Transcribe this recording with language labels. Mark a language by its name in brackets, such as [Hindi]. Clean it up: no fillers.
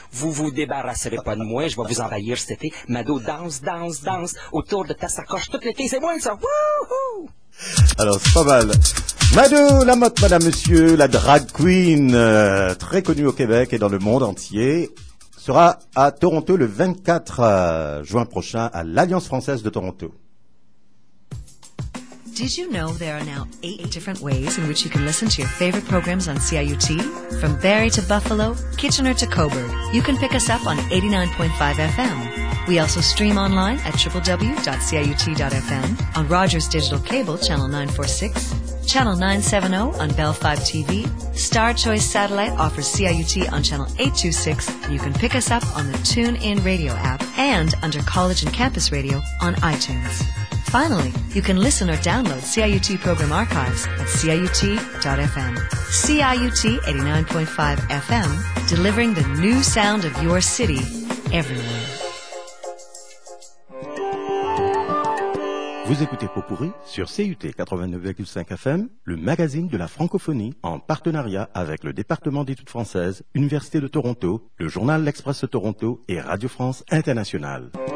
[French] Vous vous débarrasserez pas de moi, je vais vous envahir cet été. Mado danse, danse, danse autour de ta sacoche toute l'été, c'est moi ça! Wouhou! Alors, c'est pas mal. Madou, la motte, madame, monsieur, la drag queen, très connue au Québec et dans le monde entier, sera à Toronto le 24 juin prochain à l'Alliance française de Toronto. [English] Did you know there are now 8 different ways in which you can listen to your favorite programs on CIUT? From Barrie to Buffalo, Kitchener to Coburg, you can pick us up on 89.5 FM. We also stream online at www.ciut.fm, on Rogers Digital Cable, channel 946, channel 970 on Bell 5 TV, Star Choice Satellite offers CIUT on channel 826, and you can pick us up on the TuneIn Radio app and under College and Campus Radio on iTunes. Finally, you can listen or download CIUT program archives at CIUT.fm. CIUT 89.5 FM, delivering the new sound of your city everywhere. [French] Vous écoutez Popourri sur CIUT 89,5 FM, le magazine de la francophonie en partenariat avec le département d'études françaises, Université de Toronto, le journal L'Express de Toronto et Radio France Internationale.